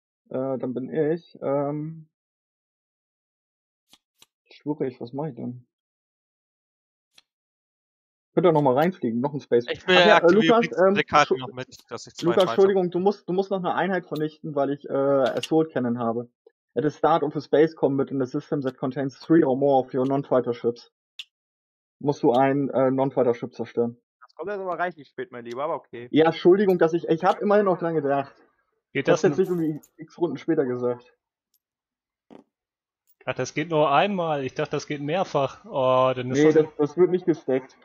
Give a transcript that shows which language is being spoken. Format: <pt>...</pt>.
<de>Dann bin ich. Schwierig, was mache ich denn? Könnt ihr noch mal reinfliegen, noch ein Space. Ich will ja Lukas, noch mit, dass ich zwei Lukas, Entschuldigung, du musst noch eine Einheit vernichten, weil ich Assault Cannon habe.</de> <en>At the start of a space combat in the system that contains three or more of your non-fighter ships.</en> <de>Musst du ein non-fighter Ship zerstören. Das kommt jetzt aber reichlich spät, mein Lieber, aber okay. Ja, Entschuldigung, dass ich habe immerhin noch dran gedacht. Geht das jetzt nicht irgendwie x Runden später gesagt. Ach, das geht nur einmal. Ich dachte, das geht mehrfach. Oh, dann ist das wird nicht gestackt.</de>